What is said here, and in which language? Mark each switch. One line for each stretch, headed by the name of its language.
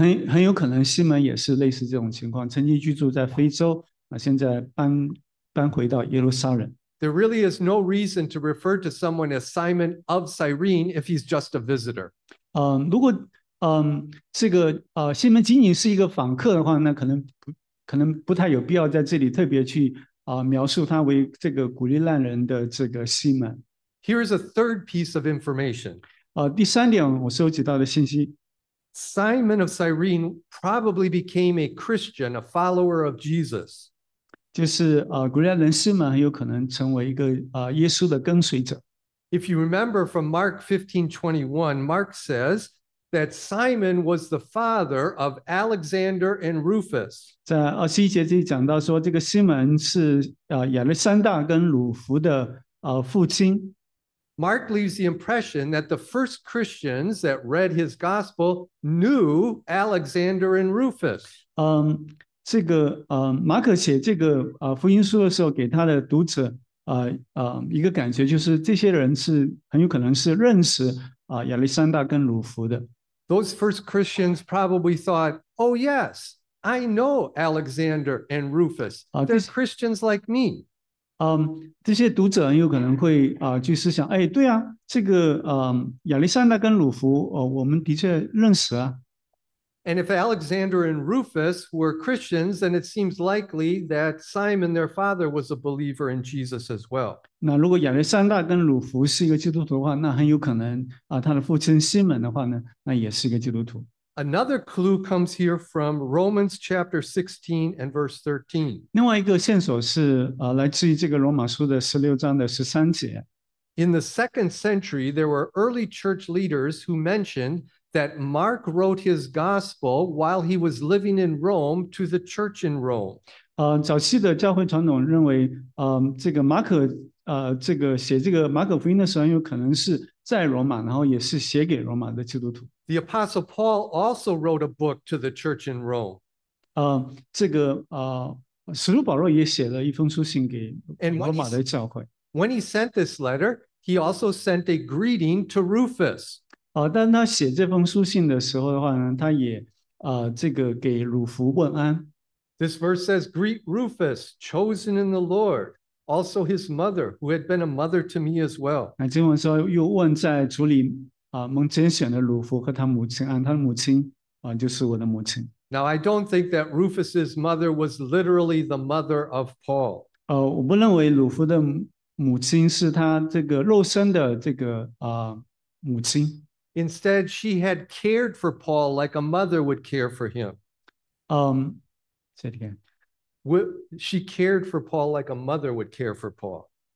Chinese: 很有可能西门也是类似这种情况，曾经居住在非洲。现在 搬回到耶路撒冷。
English: There really is no reason to refer to someone as Simon of Cyrene if he's just a visitor.
Chinese: 如果这个西门仅仅是一个访客的话，那可能不太有必要在这里特别去描述他为这个古利奈人的这个西门。
English: Here is a third piece of information.
Chinese: 第三点我收集到的信息。
English: Simon of Cyrene probably became a Christian, a follower of Jesus.
Chinese: 就是古利奈人西门很有可能成为一个耶稣的跟随者。
English: If you remember from Mark 15:21, Mark says that Simon was the father of Alexander and Rufus.
Chinese: 在二十一节这里讲到说，这个西门是亚历山大跟鲁弗的父亲。
English: Mark leaves the impression that the first Christians that read his gospel knew Alexander and Rufus.
Chinese: 这个马可写这个福音书的时候，给他的读者一个感觉，就是这些人是很有可能是认识亚历山大跟鲁弗的。
English: Those first Christians probably thought, "Oh yes, I know Alexander and Rufus. They're Christians like me."
Chinese: 这些读者有可能会去思想，哎，对啊，这个亚历山大跟鲁弗，我们的确认识啊。
English: And if Alexander and Rufus were Christians, then it seems likely that Simon, their father, was a believer in Jesus as well.
Chinese: 那如果亚历山大跟鲁弗是一个基督徒的话，那很有可能他的父亲西门的话呢，那也是一个基督徒。
English: Another clue comes here from Romans chapter 16 and verse 13.
Chinese: 另外一个线索是来自于这个罗马书的16章的13节。
English: In the second century, there were early church leaders who mentioned that Mark wrote his gospel while he was living in Rome to the church in Rome.
Chinese: 早期的教会传统认为，这个马可，这个写这个马可福音的时候，有可能是在罗马，然后也是写给罗马的基督徒。
English: The apostle Paul also wrote a book to the church in Rome.
Chinese: 这个使徒保罗也写了一封书信给罗马的教会。
English: When he sent this letter, he also sent a greeting to Rufus.
Chinese: 但他写这封书信的时候的话呢，他也这个给鲁弗问安。
English: This verse says, "Greet Rufus, chosen in the Lord, also his mother, who had been a mother to me as well."
Chinese: 那经文说又问在主里蒙拣选的鲁弗和他母亲安，他的母亲就是我的母亲。
English: Now I don't think that Rufus's mother was literally the mother of Paul.
Chinese: 我不认为鲁弗的母亲是他这个肉身的这个母亲。
English: Instead, she had cared for Paul like a mother would care for him. Say it again. She cared for Paul like a mother would care for Paul.